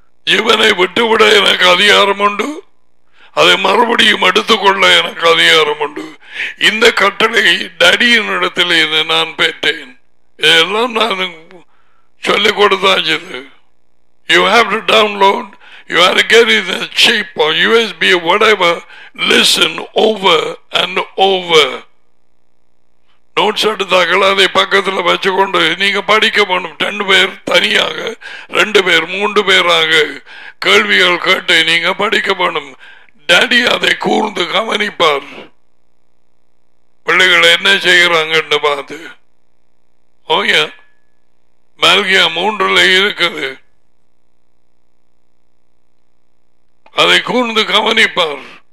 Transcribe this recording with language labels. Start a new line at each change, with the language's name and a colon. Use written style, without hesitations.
Tamil: ஜீவனை விட்டுவிட எனக்கு அதிகாரம் உண்டு, அதை மறுபடியும் எடுத்துக்கொள்ள எனக்கு அதிகாரம் உண்டு. இந்த கட்டளை டாடியின் இடத்துல இதை நான் பெற்றேன். இதெல்லாம் நான் சொல்லிக் கொடுத்தாச்சு.
English: You have to download, you are getting the chip or USB or whatever, listen over and over.
Tamil: Notes எடுத்தாக்களாதை பக்கத்தில் வச்சுக்கொண்டு நீங்க படிக்க வேண்டும். ரெண்டு பேர் தனியாக, ரெண்டு பேர், மூன்று பேராக கேள்விகள் கேட்டு நீங்க படிக்க வேண்டும். டாடி அதை கூர்ந்து கவனிப்பார். பிள்ளைகள் என்ன செய்யறாங்கன்னு பார்த்து ஓயா மல்கியா மூன்றுல இருக்குது அதை கூர்ந்து கவனிப்பார்.